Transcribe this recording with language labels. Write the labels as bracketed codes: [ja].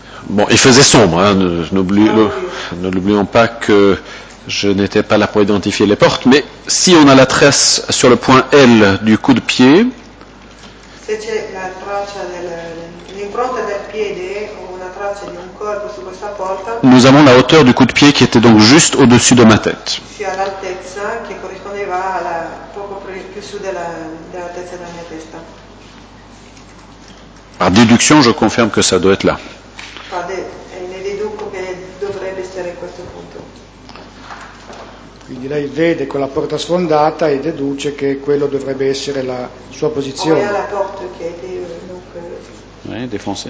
[fr] Bon, il faisait sombre, hein, ne l'oublions pas que je n'étais pas là pour identifier les portes, mais si on a la trace sur le point L du coup de pied. [it] Se c'è la traccia l'impronta del piede o la traccia di un corpo su questa porta. [fr] Nous avons la hauteur du coup de pied qui était donc juste au-dessus de ma tête. [it] Si à l'altezza che corrispondeva alla poco più su dell'altezza della mia testa. [fr] Par déduction, je confirme que ça doit être là. [it] Ne deduco che dovrebbe essere in questo punto. Quindi lei vede quella porta sfondata e deduce che quello dovrebbe essere la sua posizione. Poi alla porta che è defoncée.